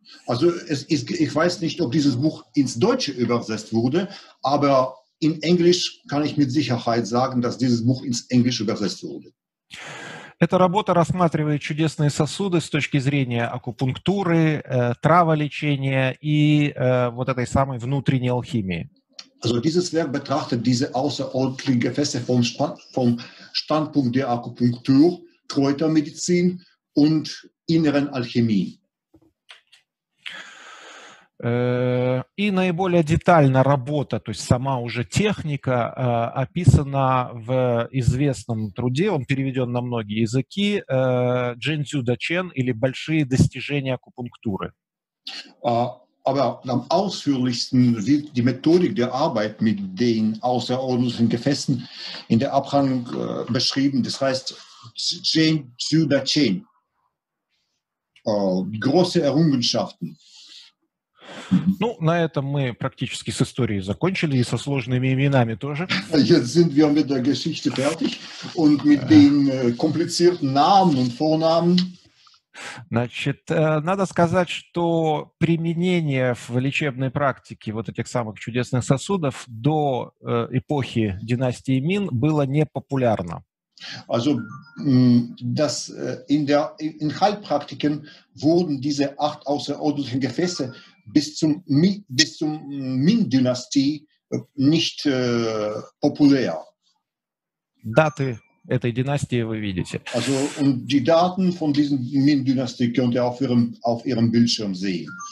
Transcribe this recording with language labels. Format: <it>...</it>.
<de>Also, ich weiß nicht, ob dieses Buch ins Deutsche übersetzt wurde, aber in Englisch kann ich mit Sicherheit sagen, dass dieses Buch ins Englisch übersetzt wurde.</de> <ru>Эта работа рассматривает чудесные сосуды с точки зрения акупунктуры, траволечения и вот этой самой внутренней алхимии.</ru> <de>Also dieses Werk betrachtet diese außerordentlichen Gefäße vom Standpunkt der Akupunktur, Kräutermedizin und inneren Alchemie.</de> <ru>И наиболее детально работа, то есть сама уже техника, описана в известном труде, он переведен на многие языки, Джинцзю Дачен или «Большие достижения акупунктуры».</ru> <de>Aber am ausführlichsten wird die Methodik der Arbeit mit den außerordentlichen Gefäßen in der Abhandlung beschrieben. Das heißt, Chen Zhu Da Chen. Große Errungenschaften.</de> <ru>Ну, на этом мы практически с историей закончили и со сложными именами тоже.</ru> <de>Jetzt sind wir mit der Geschichte fertig und mit den komplizierten Namen und Vornamen.</de> <ru>Значит, надо сказать, что применение в лечебной практике вот этих самых чудесных сосудов до эпохи династии Мин было непопулярно.</ru> <de>Also, das in Heilpraktiken wurden diese 8 außerordentlichen Gefäße bis zum</de> <ru>Мин-династии</ru> <de>nicht populär.</de> <ru>Даты этой династии вы видите.</ru> <de>Also, und die Daten von diesen</de> <ru>Мин-династии</ru> <de>könnt ihr auf ihrem Bildschirm sehen.</de>